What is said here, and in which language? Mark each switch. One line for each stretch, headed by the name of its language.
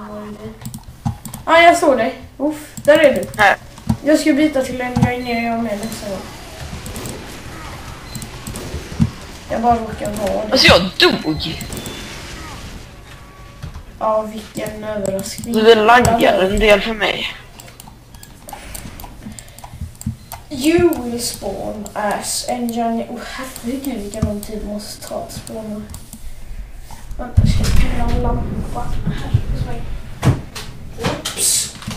Swedish: Var är du? Ah, jag såg dig. Uff, där är du. Här. Jag ska byta till en grej ner jag med nästa gång. Jag bara råkar ha det. Alltså jag dog! Ja, vilken överraskning. Du laggar en del för mig.
English: You will spawn as engine.
Swedish: Oh, herregud vilken lång tid måste ta att spawna. Vänta, ska jag pilla en lampa här? Oops!